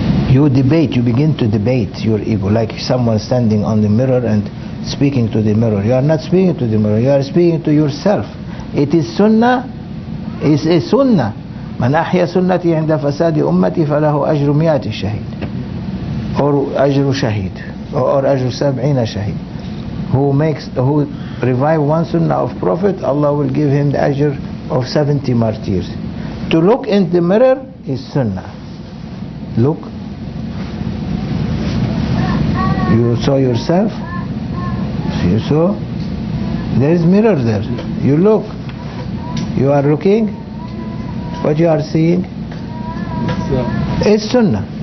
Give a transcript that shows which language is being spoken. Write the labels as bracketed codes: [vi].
[en] You debate, you begin to debate your ego, like someone standing on the mirror and speaking to the mirror. You are not speaking to the mirror, you are speaking to yourself. It is sunnah, it's a sunnah. [ar] من أحيى سنتي عند فساد أمتي فله أجر مئة شهيد or أجر شهيد or أجر سبعين شهيد. [en] Who revive one sunnah of Prophet, Allah will give him the أجر of 70 martyrs. To look in the mirror is sunnah. Look. You saw yourself? You saw? There is mirror there. You look. You are looking? What you are seeing? It's sunnah.